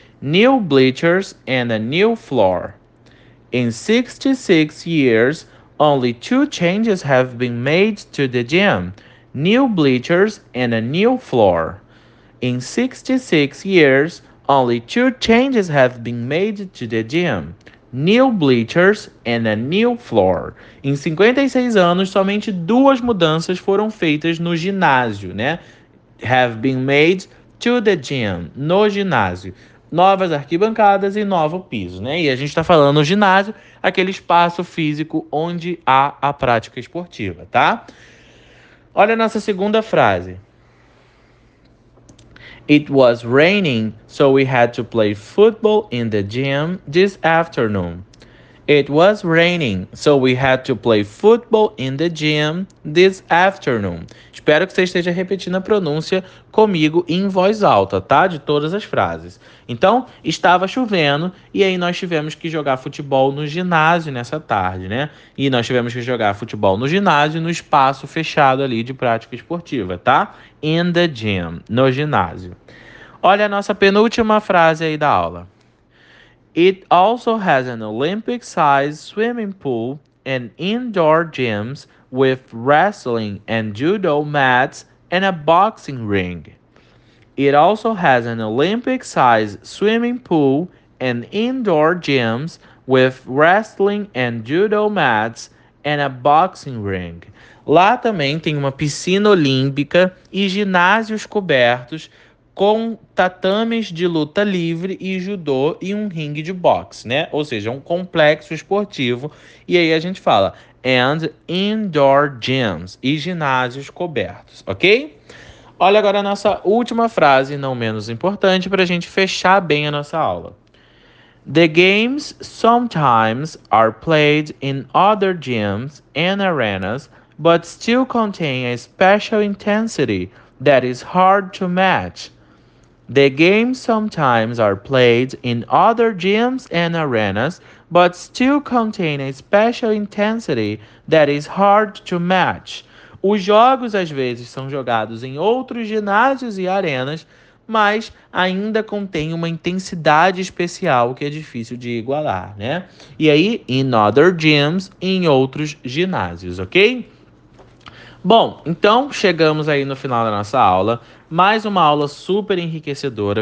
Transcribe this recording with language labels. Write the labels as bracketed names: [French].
[English] New bleachers and a new floor. In 66 years, only two changes have been made to the gym. New bleachers and a new floor. In 66 years, only two changes have been made to the gym. New bleachers and a new floor. [Portuguese] Em 56 anos, somente duas mudanças foram feitas no ginásio, né? [English] Have been made to the gym. [Portuguese] No ginásio. Novas arquibancadas e novo piso, né? E a gente está falando ginásio, aquele espaço físico onde há a prática esportiva, tá? Olha a nossa segunda frase. It was raining, so we had to play football in the gym this afternoon. It was raining, so we had to play football in the gym this afternoon. Espero que você esteja repetindo a pronúncia comigo em voz alta, tá? De todas as frases. Então, estava chovendo e aí nós tivemos que jogar futebol no ginásio nessa tarde, né? E nós tivemos que jogar futebol no ginásio no espaço fechado ali de prática esportiva, tá? [English] In the gym, [Portuguese] no ginásio. Olha a nossa penúltima frase aí da aula. [English] It also has an Olympic-sized swimming pool and indoor gyms with wrestling and judo mats and a boxing ring. It also has an Olympic-sized swimming pool and indoor gyms with wrestling and judo mats and a boxing ring. [Portuguese] Lá também tem uma piscina olímpica e ginásios cobertos com tatames de luta livre e judô e um ringue de boxe, né? Ou seja, um complexo esportivo. E aí a gente fala, [English] and indoor gyms [Portuguese] e ginásios cobertos, ok? Olha agora a nossa última frase, não menos importante, para a gente fechar bem a nossa aula. [English] The games sometimes are played in other gyms and arenas, but still contain a special intensity that is hard to match. The games sometimes are played in other gyms and arenas, but still contain a special intensity that is hard to match. [Portuguese] Os jogos às vezes são jogados em outros ginásios e arenas, mas ainda contém uma intensidade especial que é difícil de igualar, né? E aí, [English] in other gyms, [Portuguese] em outros ginásios, ok? Bom, então chegamos aí no final da nossa aula. Mais uma aula super enriquecedora.